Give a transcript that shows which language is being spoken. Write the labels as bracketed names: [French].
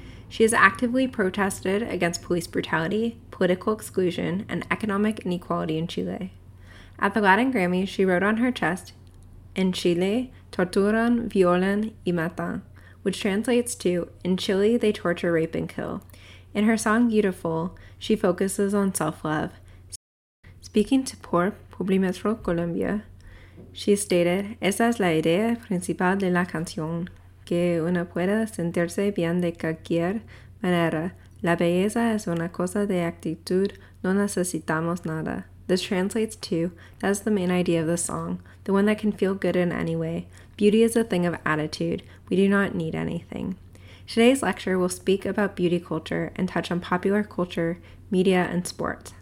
[English] She has actively protested against police brutality, political exclusion, and economic inequality in Chile. At the Latin Grammy, she wrote on her chest, [Spanish] "En Chile, torturan, violan, y matan," [English] which translates to, "In Chile, they torture, rape, and kill." In her song, Beautiful, she focuses on self-love. Speaking to Por Publimetro Colombia, she stated, [Spanish] "Esa es la idea principal de la canción, que uno pueda sentirse bien de cualquier manera. La belleza es una cosa de actitud, no necesitamos nada." [English] This translates to, that's the main idea of the song, the one that can feel good in any way. Beauty is a thing of attitude. We do not need anything. Today's lecture will speak about beauty culture and touch on popular culture, media, and sports.